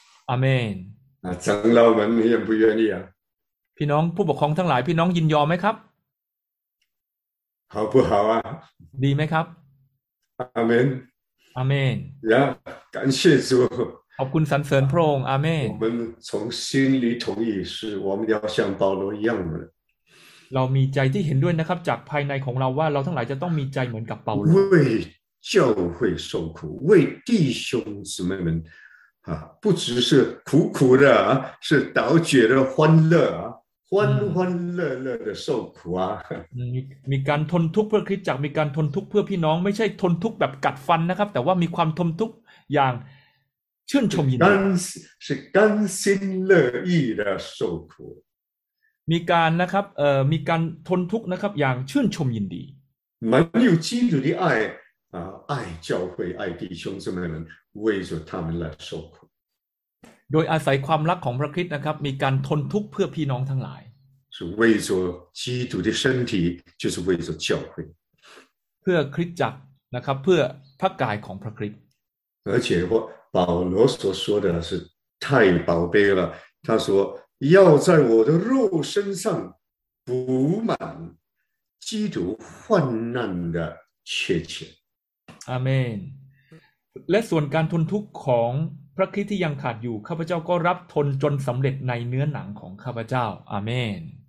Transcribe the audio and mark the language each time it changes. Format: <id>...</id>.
<th>อาเมน</th> <zh>长老们愿不愿意啊</zh> <th>พี่น้องผู้ปกครองทั้งหลายพี่น้องยินยอมไหมครับ</th> <zh>好不好啊</zh> <th>ดีไหมครับ</th> <en>Amen Amen</en> <zh>Yeah 感谢主</zh> <th>ขอบคุณสรรเสริญพระองค์ Amen</th> <zh>我们从心里同意是我们要像保罗一样的</zh> <th>เรามีใจที่เห็นด้วยนะครับจากภายในของเราว่าเราทั้งหลายจะต้องมีใจเหมือนกับเปาโล</th> <zh>为教会受苦为弟兄姊妹们不只是苦苦的是倒觉的欢乐欢欢乐乐的受苦啊</zh> <th>มีการทนทุกข์เพื่อคริสตจักรมีการทนทุกข์เพื่อพี่น้องไม่ใช่ทนทุกข์แบบกัดฟันนะครับแต่ว่ามีความทนทุกข์อย่างชื่นชมยินดี</th> <zh>是甘心乐意的受苦</zh> <th>มีการนะครับมีการทนทุกข์นะครับอย่างชื่นชมยินดี</th> <zh>蛮有基督的爱啊爱教会爱弟兄姊妹们为着他们来受苦</zh> <th>โดยอาศัยความรักของพระคริสต์นะครับมีการทนทุกข์เพื่อพี่น้องทั้งหลาย</th> <zh>是为着基督的身体就是为着教会</zh> <th>เพื่อคริสตจักรนะครับเพื่อพระกายของพระคริสต์</th> <zh>而且我保罗所说的是太宝贝了他说要在我的肉身上补满基督患难的切切</zh> <th>อาเมนและส่วนการทนทุกข์ของพระคริสต์ที่ยังขาดอยู่ข้าพเจ้าก็รับทนจนสำเร็จในเนื้อหนังของข้าพเจ้าอาเมน</th>